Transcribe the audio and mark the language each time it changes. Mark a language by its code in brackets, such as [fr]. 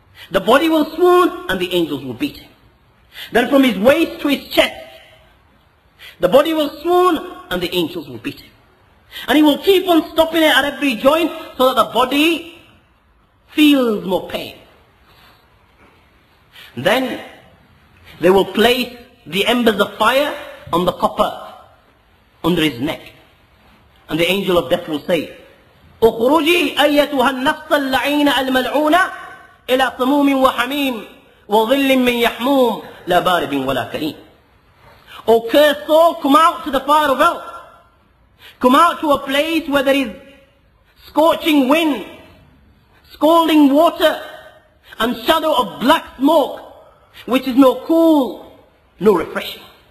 [en] The body will swoon and the angels will beat him. Then from his waist to his chest, the body will swoon and the angels will beat him. And he will keep on stopping it at every joint so that the body feels more pain. Then they will place the embers of fire on the copper under his neck. And the angel of death will say, [ar] أخرجي أيتها النفس اللعينة الملعونة إلى صموم وحميم وظل من يحموم لا بارد ولا كريم. [en] O cursed soul, come out to the fire of hell. Come out to a place where there is scorching wind, scalding water, and shadow of black smoke, which is no cool, no refreshing.